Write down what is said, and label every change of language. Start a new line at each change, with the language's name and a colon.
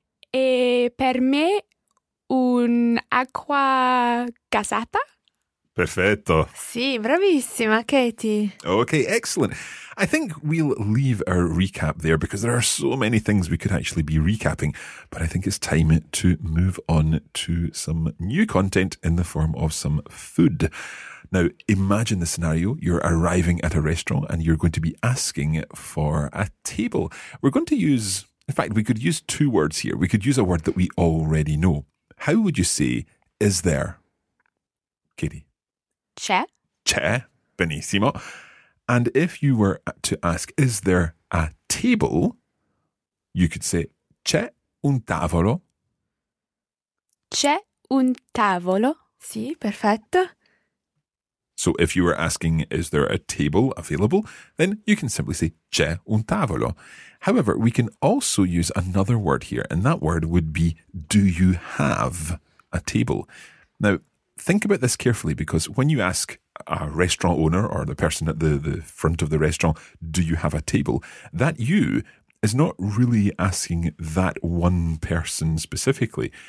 Italian: E per me, un acqua gassata. Perfetto. Sì, bravissima, Katie.
English: Okay, excellent. I think we'll leave our recap there because there are so many things we could actually be recapping. But I think it's time to move on to some new content in the form of some food. Now, imagine the scenario. You're arriving at a restaurant and you're going to be asking for a table. We're going to use, in fact, we could use two words here. We could use a word that we already know. How would you say, is there? Katie.
Italian: C'è. C'è. Benissimo.
English: And if you were to ask, is there a table? You could say,
Italian: c'è un tavolo. C'è un tavolo. Sì, perfetto.
English: So if you were asking, is there a table available? Then you can simply say,
Italian: c'è un tavolo.
English: However, we can also use another word here. And that word would be, do you have a table? Now, think about this carefully, because when you ask a restaurant owner or the person at the front of the restaurant, do you have a table? That you is not really asking that one person specifically.